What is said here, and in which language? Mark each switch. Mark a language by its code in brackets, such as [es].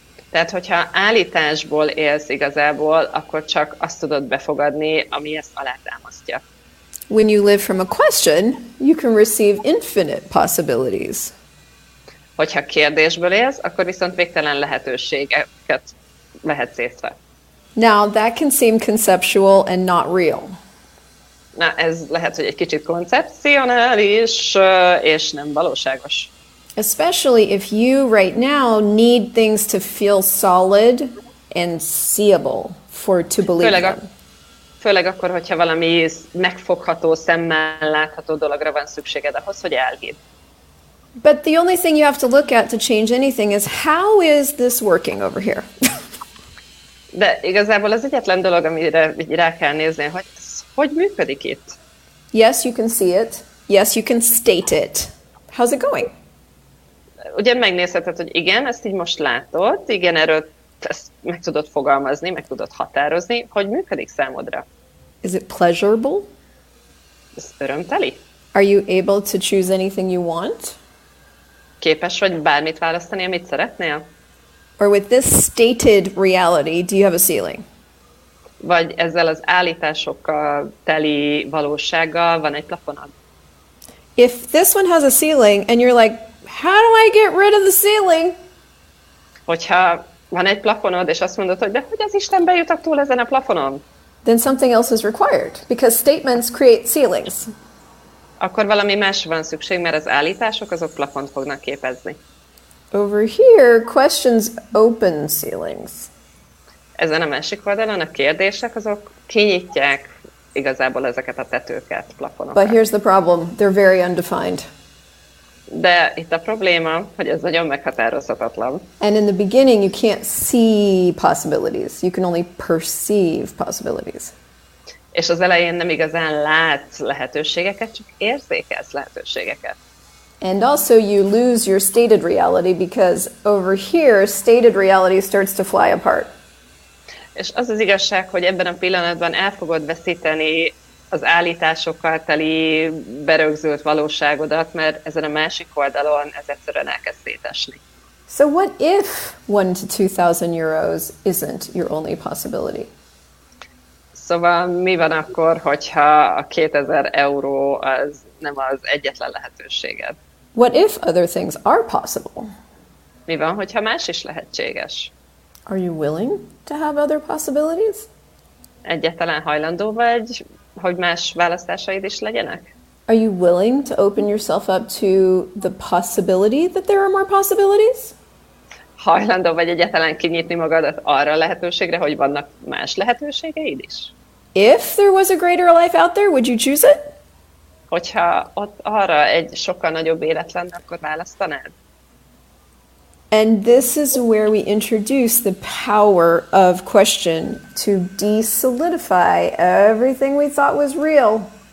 [hu] Tehát, hogyha állításból élsz igazából, akkor csak azt tudod befogadni, ami ezt alátámasztja. [en] When you live from a question, you can receive infinite possibilities. [hu] Hogyha kérdésből élsz, akkor viszont végtelen lehetőségeket vehetsz észre. [en] Now, that can seem conceptual and not real. [hu] Na, ez lehet, hogy egy kicsit koncepcionális, és nem valóságos. [en] Especially if you right now need things to feel solid and seeable for to believe them. [hu] Főleg akkor, hogyha valami megfogható, szemmel látható dologra van szükséged ahhoz, hogy elhidd. [en] But the only thing you have to look at to change anything is how is this working over here? [hu] De igazából az egyetlen dolog, amire rá kell nézni, hogy ez hogy működik itt? [en] Yes, you can see it. Yes, you can state it. How's it going? [hu] Ugye megnézheted, hogy igen, ezt így most látod, igen, erről ezt meg tudod fogalmazni, meg tudod határozni, hogy működik számodra? [en] Is it pleasurable? [hu] Ez örömteli? [en] Are you able to choose anything you want? [hu] Képes vagy bármit választani, amit szeretnél? [en] Or with this stated reality, do you have a ceiling? [hu] Vagy ezzel az állításokkal teli valósággal van egy plafonod? [en] If this one has a ceiling, and you're like, how do I get rid of the ceiling? [hu] Hogyha van egy plafonod, és azt mondod, hogy de hogy az Isten bejutok túl ezen a plafonon? [en] Then something else is required, because statements create ceilings. [hu] Akkor valami más van szükség, mert az állítások azok plafont fognak képezni. [en] Over here, questions open ceilings. [hu] Ezen a másik oldalon a kérdések azok kinyitják igazából ezeket a tetőket, plafonokat. [en] But here's the problem, they're very undefined. [hu] De itt a probléma, hogy ez nagyon meghatározhatatlan. [en] And in the beginning you can't see possibilities, you can only perceive possibilities. [hu] És az elején nem igazán látsz lehetőségeket, csak érzékelsz lehetőségeket. [en] And also you lose your stated reality because over here stated reality starts to fly apart. [hu] És az az igazság, hogy ebben a pillanatban el fogod veszíteni az állításokkal teli berögzült valóságodat, mert ezen a másik oldalon ez egyszerűen elkezd szétesni. [en] So what if 1 to 2,000 euros isn't your only possibility? [hu] Szóval mi van akkor, hogyha a 2000 euró az nem az egyetlen lehetőséged? [en] What if other things are possible? [hu] Mi van, hogyha más is lehetséges? [en] Are you willing to have other possibilities? [hu] Egyetlen hajlandó vagy, hogy más választásaid is legyenek? [en] Are you willing to open yourself up to the possibility that there are more possibilities? [hu] Hajlandó vagy egyetlen kinyitni magadat arra a lehetőségre, hogy vannak más lehetőségeid is? [en] If there was a greater life out there, would you choose it? [hu] Hogyha ott arra egy sokkal nagyobb élet lenne, akkor választanád? [en] And this is where we introduce the power of question to de-solidify everything we thought was real.